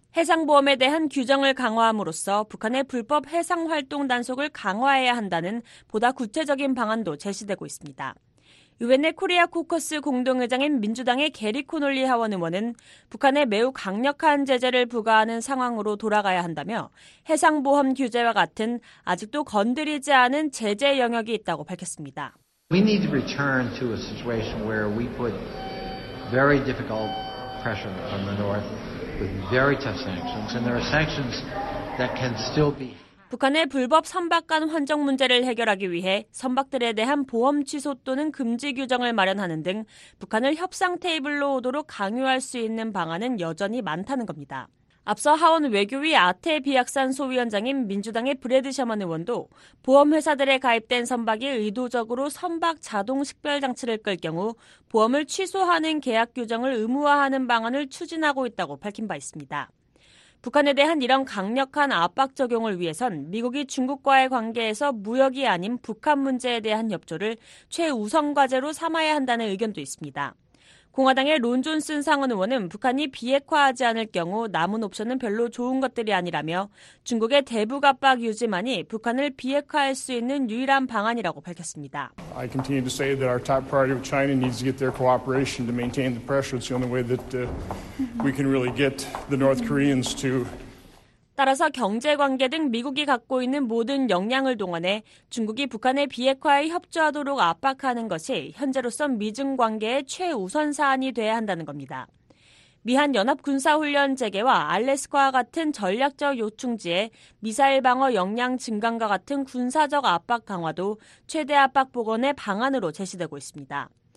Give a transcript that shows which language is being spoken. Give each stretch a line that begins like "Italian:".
Korean: 해상보험에 대한 규정을 강화함으로써 북한의 불법 해상활동 단속을 강화해야 한다는 보다 구체적인 방안도 제시되고 있습니다. 유엔의 코리아 코커스 공동의장인 민주당의 게리 코놀리 하원 의원은 북한에 매우 강력한 제재를 부과하는 상황으로 돌아가야 한다며 해상보험 규제와 같은 아직도 건드리지 않은 제재 영역이 있다고 밝혔습니다.
English: We need to return to a situation where we put very difficult pressure on the North with very tough sanctions, and there are sanctions that can still be.
Korean: 북한의 불법 선박 간 환적 문제를 해결하기 위해 선박들에 대한 보험 취소 또는 금지 규정을 마련하는 등 북한을 협상 테이블로 오도록 강요할 수 있는 방안은 여전히 많다는 겁니다. 앞서 하원 외교위 아태 비약산 소위원장인 민주당의 브래드 셔먼 의원도 보험회사들에 가입된 선박이 의도적으로 선박 자동 식별 장치를 끌 경우 보험을 취소하는 계약 규정을 의무화하는 방안을 추진하고 있다고 밝힌 바 있습니다. 북한에 대한 이런 강력한 압박 적용을 위해선 미국이 중국과의 관계에서 무역이 아닌 북한 문제에 대한 협조를 최우선 과제로 삼아야 한다는 의견도 있습니다. 공화당의 론 존슨 상원 의원은 북한이 비핵화하지 않을 경우 남은 옵션은 별로 좋은 것들이 아니라며 중국의 대북 압박 유지만이 북한을 비핵화할 수 있는 유일한 방안이라고 밝혔습니다.
English: I continue to say that our top priority with China needs to get their cooperation to maintain the pressure. It's the only way that we can really get the North Koreans to.
Korean: 따라서 경제관계 등 미국이 갖고 있는 모든 역량을 동원해 중국이 북한의 비핵화에 협조하도록 압박하는 것이 현재로선 미중 관계의 최우선 사안이 돼야 한다는 겁니다. 미한 연합군사훈련 재개와 알래스카와 같은 전략적 요충지에 미사일 방어 역량 증강과 같은 군사적 압박 강화도 최대 압박 복원의 방안으로 제시되고 있습니다.